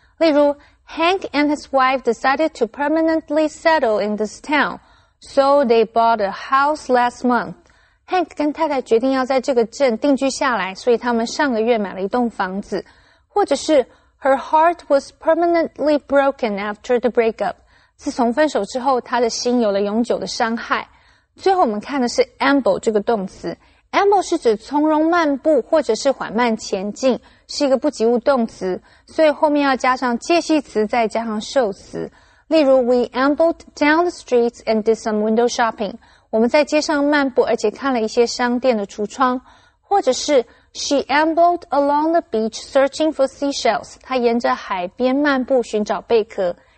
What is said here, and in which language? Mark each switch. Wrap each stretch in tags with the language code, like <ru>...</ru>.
<zh>例如</zh> <en>Hank and his wife decided to permanently settle in this town, so they bought a house last month.</en> <zh>Hank 跟太太决定要在这个镇定居下来，所以他们上个月买了一栋房子。或者是</zh> <en>Her heart was permanently broken after the breakup.</en> <zh>自从分手之后，他的心有了永久的伤害。最后我们看的是 amble 这个动词。 amble 是指从容漫步或者是缓慢前进，是一个不及物动词，所以后面要加上介系词再加上受词。例如</zh> <en>,we ambled down the streets and did some window shopping.</en> <zh>我们在街上漫步而且看了一些商店的橱窗。或者是</zh> <en>,she ambled along the beach searching for seashells.</en> <zh>她沿着海边漫步寻找贝壳。</zh>